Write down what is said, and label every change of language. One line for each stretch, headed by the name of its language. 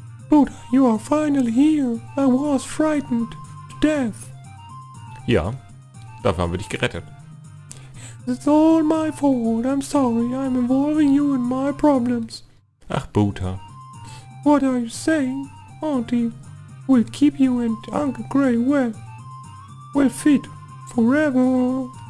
English: But you are finally here. I was frightened to death.
German: Ja, dafür haben wir dich gerettet.
English: It's all my fault. I'm sorry. I'm involving you in my problems.
German: Ach, Buta.
English: What are you saying? Auntie will keep you and Uncle Gray well. Well fit forever.